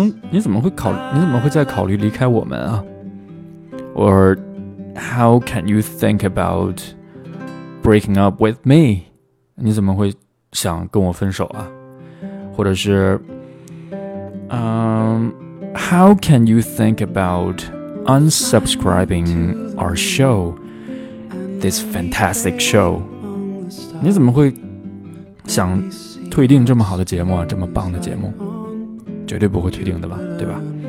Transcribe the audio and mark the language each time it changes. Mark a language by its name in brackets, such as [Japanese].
[Chinese] 你怎么会考虑离开我们啊？ [English] Or How can you think about breaking up with me？ [Chinese] 你怎么会想跟我分手啊？或者是 How can you think about unsubscribing our showThis fantastic show，你怎么会想退订这么好的节目啊，这么棒的节目，绝对不会退订的吧，对吧。